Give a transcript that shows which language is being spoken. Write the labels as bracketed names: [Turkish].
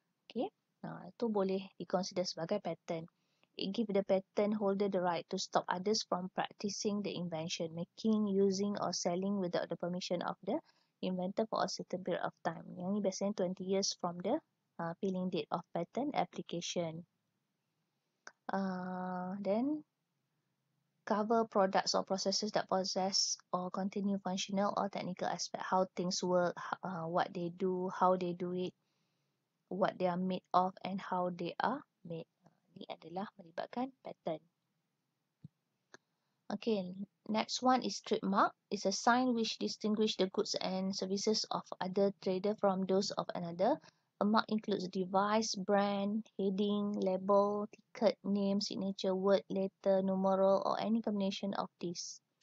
[Malay] Okay, tu boleh dikonsider sebagai patent. [English] It gives the patent holder the right to stop others from practicing the invention, making, using or selling without the permission of the inventor for a certain period of time. [Malay] Yang ini biasanya [English] 20 years from the filing date of patent application. Then, cover products or processes that possess or continue functional or technical aspect. How things work, what they do, how they do it, what they are made of and how they are made. [Malay] Ini adalah melibatkan patent. [English] Okay, next one is trademark. It's a sign which distinguishes the goods and services of other trader from those of another. A mark includes device, brand, heading, label, ticket, name, signature, word, letter, numeral or any combination of this.